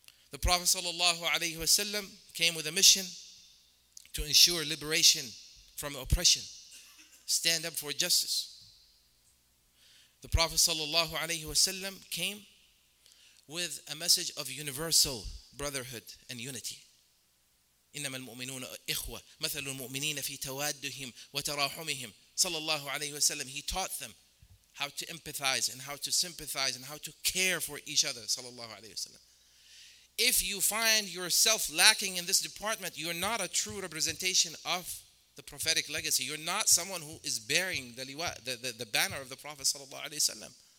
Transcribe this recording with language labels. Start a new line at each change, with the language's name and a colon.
English: The Prophet sallallahu alayhi wa sallam came with a mission to ensure liberation from oppression, stand up for justice. The Prophet sallallahu alayhi wa sallam came with a message of universal brotherhood and unity.
Arabic: إنما المؤمنون إخوة مثل المؤمنين في توادهم وتراحمهم صلى الله عليه وسلم.
English: He taught them how to empathize and how to sympathize and how to care for each other,
Arabic: صلى الله عليه وسلم.
English: If you find yourself lacking in this department, you're not a true representation of the prophetic legacy. You're not someone who is bearing the banner of the Prophet
Arabic: صلى الله عليه وسلم.